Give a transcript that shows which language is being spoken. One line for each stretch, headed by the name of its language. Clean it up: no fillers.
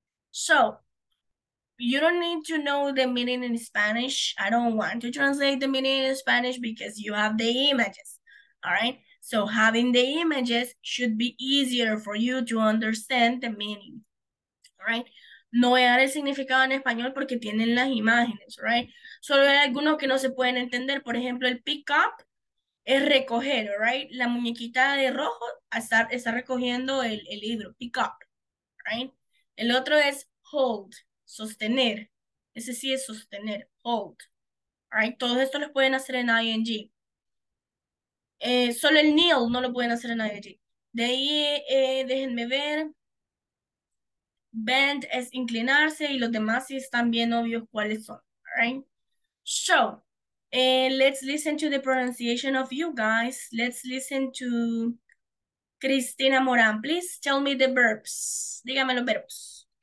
English: So, you don't need to know the meaning in Spanish. I don't want to translate the meaning in Spanish because you have the images. All right? So having the images should be easier for you to understand the meaning. All right?
Spanish: No voy a dar el significado en español porque tienen las imágenes, right? Solo hay algunos que no se pueden entender. Por ejemplo, el pick up es recoger, right? La muñequita de rojo está recogiendo el libro, pick up, right? El otro es hold, sostener. Ese sí es sostener, hold. Right? Todos estos los pueden hacer en ING. Solo el kneel no lo pueden hacer en ING. De ahí, déjenme ver. Bend es inclinarse y los demás sí están bien obvios cuáles son, right?
English: So, let's listen to the pronunciation of you guys. Let's listen to Cristina Morán. Please tell me the verbs.
Spanish: Dígame los verbos.